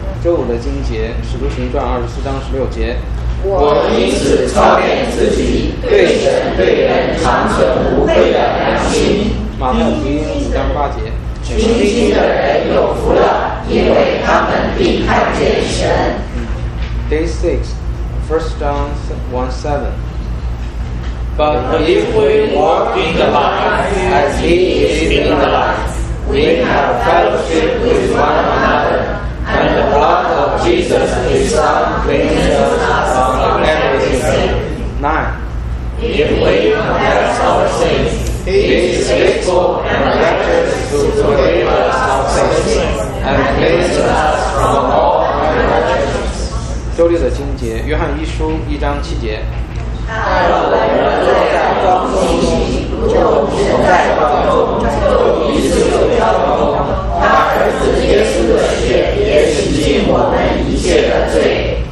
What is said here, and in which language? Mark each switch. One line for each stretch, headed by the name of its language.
Chinese: 周五的经节，使徒行传二十四章十六节。我因此操练自己对神对人长存无愧的良心。马太福音五章八节。清心的人有福了，因为他们必看见神。
English: Day 6, 1 John 1:7. But if we walk in the light as he is in the light, we have fellowship with one another. And the blood of Jesus, his Son, cleanses us from every sin. 9. If we confess our sins, he is faithful and righteous to forgive us our sins and cleanses us from all unrighteousness.
Chinese: 周六的经节，约翰一书一章七节。爱我们若在光中行，如同神在光中，就彼此有交通。他儿子耶稣的血也洗净我们一切的罪。